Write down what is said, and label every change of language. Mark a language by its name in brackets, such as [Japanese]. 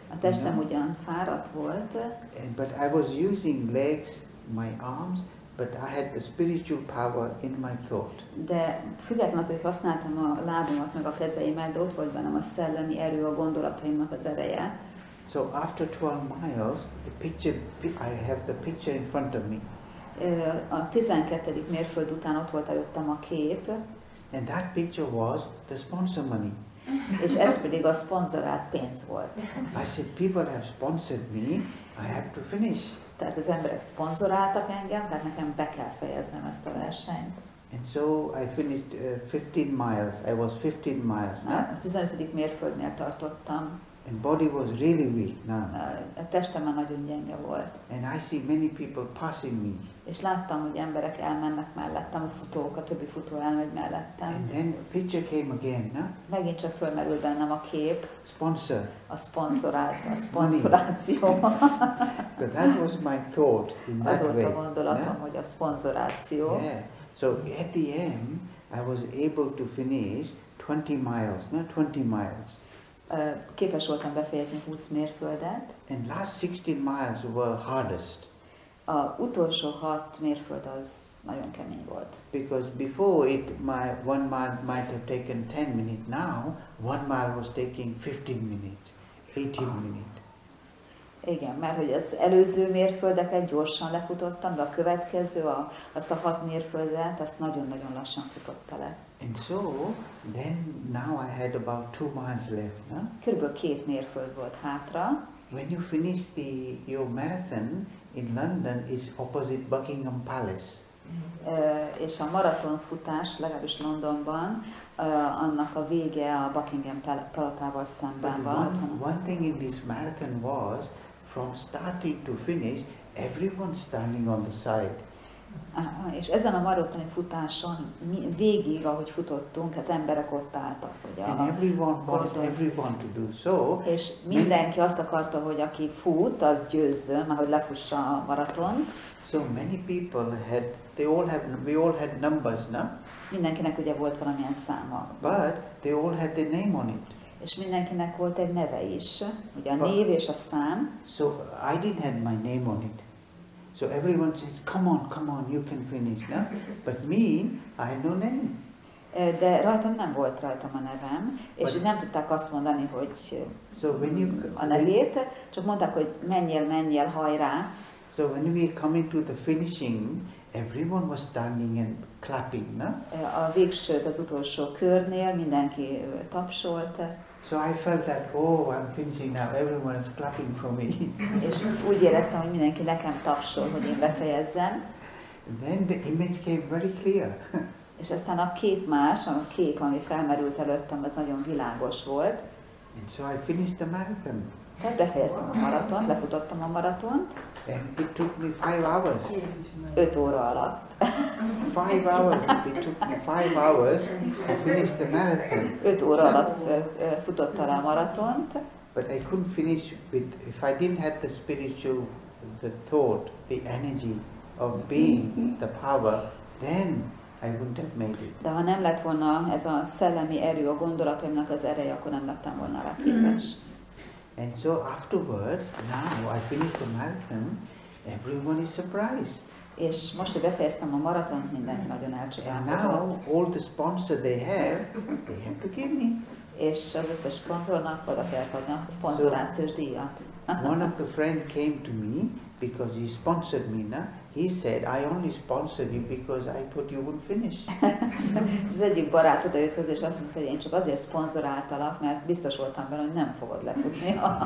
[Hungarian] A testem ugyan fáradt volt. [English] And, but I was using legs, my arms, but I had the spiritual power in my thought. [Hungarian] De függetlenül, hogy használtam a lábamat meg a kezeimet, de ott volt bennem a szellemi erő, a gondolataimnak az ereje. [English] So after 12 miles, the picture, I have the picture in front of me. [Hungarian] A 12. mérföld után ott volt előttem a kép. [English] And that picture was the sponsor money. [Hungarian] És ez pedig a szponzorált pénz volt. [English] I said, people have sponsored me, I have to finish. [Hungarian] Tehát az emberek szponzoráltak engem, tehát nekem be kell fejeznem ezt a versenyt. [English] And so I finished 15 miles. I was 15 miles. [Hungarian] A 15. mérföldnél tartottam. [English] And body was really weak now. [Hungarian] A testem már nagyon gyenge volt. [English] And I see many people passing me. [Hungarian] És láttam, hogy emberek elmennek mellettem, futók, a többi futó elmegy mellettem. [English] And then a picture came again, no? [Hungarian] Megint csak fölmerül bennem a kép. [English] Sponsor. [Hungarian] A szponzorált, a szponzoráció. [English] But that was my thought in that way. [Hungarian] Az volt a gondolatom, no? Hogy a szponzoráció. [English] Yeah. So at the end, I was able to finish 20 miles, no? 20 miles. [Hungarian] Képes voltam befejezni 20 mérföldet. [English] And last 16 miles were hardest. [Hungarian] A utolsó 6 mérföld az nagyon kemény volt. [English] Because before it my 1 mile might have taken 10 minutes, now 1 mile was taking 15 minutes, 18 minutes. [Hungarian] Igen, mert hogy az előző mérföldeket gyorsan lefutottam, de a következő, azt a 6 mérföldet, azt nagyon-nagyon lassan futotta le. [English] And so, then now I had about 2 miles left, no? [Hungarian] Körülbelül 2 mérföld volt hátra. [English] When you finish the your marathon in London, is opposite Buckingham Palace. [Hungarian] És a maraton futás, legalábbis Londonban, annak a vége a Buckingham Palotával szemben van. [English] One thing in this marathon was, from starting to finish, everyone standing on the side. [Hungarian] És ezen a maratoni futáson végig, ahogy futottunk, az emberek ott álltak. [English] And everyone wants everyone to do so. [Hungarian] És mindenki azt akarta, hogy aki fut, az győzzön, ahogy lefussa a maratont. [English] So many people had, we all had numbers, no? [Hungarian] Mindenkinek ugye volt valamilyen száma. [English] But they all had their name on it. [Hungarian] És mindenkinek volt egy neve is, ugye a név és a szám. [English] So I didn't have my name on it. So everyone says, come on, you can finish, no? But me, I have no name. [Hungarian] De rajtam nem volt rajtam a nevem, és nem tudták azt mondani, hogy [English] so when you, [Hungarian] a nevét, csak mondták, hogy menjél, hajrá. [English] So when we come into the finishing, everyone was standing and clapping, no? [Hungarian] A végső, az utolsó körnél mindenki tapsolt. [English] So I felt that, oh, I'm finishing now, everyone is clapping for me. [Hungarian] És úgy éreztem, hogy mindenki nekem tapsol, hogy én befejezzem. [English] Then the image came very clear. [Hungarian] És aztán a kép más, a kép, ami felmerült előttem, az nagyon világos volt. [English] And so I finished the marathon. [Hungarian] Tehát befejeztem a maratont, lefutottam a maratont. [English] And it took me 5 hours. [Hungarian] 5 óra alatt. [English] 5 hours. It took me 5 hours to finish the marathon. [Hungarian] 5 óra alatt futottam le a maratont. [English] But I couldn't finish with, if I didn't have the spiritual, the thought, the energy of being, the power, then I wouldn't have made it. [Hungarian] De ha nem lett volna ez a szellemi erő, a gondolataimnak az ereje, akkor nem lettem volna rá képes. [English] And so afterwards, now I finished the marathon, everyone is surprised. [Hungarian] És most, hogy befejeztem a maraton, mindenki nagyon elcsodálkozott. [English] And now all the sponsors they have to give me. [Hungarian] És az összes sponsornak oda kell adni a szponzorációs díjat. [English] One of the friend came to me because he sponsored me, no? He said, I only sponsored you because I thought you would finish. [Hungarian] Az egyik barát odajött hozzá, és azt mondta, hogy én csak azért szponzoráltalak, mert biztos voltam benne, hogy nem fogod lefutni